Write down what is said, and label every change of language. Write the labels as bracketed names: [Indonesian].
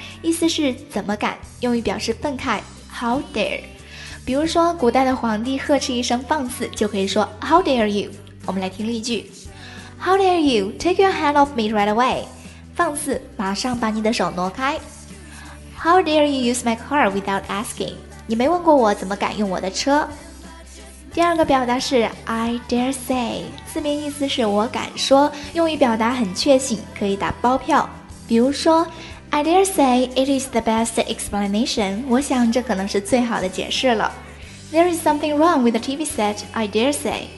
[Chinese] 意思是怎么敢用于表示愤慨 [English] How dare? [Chinese] 比如说古代的皇帝呵斥一声放肆就可以说 [English] How dare you? [Chinese] 我们来听例句 [English] How dare you? Take your hand off me right away. [Chinese] 放肆，马上把你的手挪开。 [English] How dare you use my car without asking? [Chinese] 你没问过我怎么敢用我的车。第二个表达是 [English] I dare say. [Chinese] 字面意思是我敢说，用于表达很确信，可以打包票。比如说 [English] I dare say it is the best explanation. [Chinese] 我想这可能是最好的解释了。 [English] There is something wrong with the TV set, I dare say.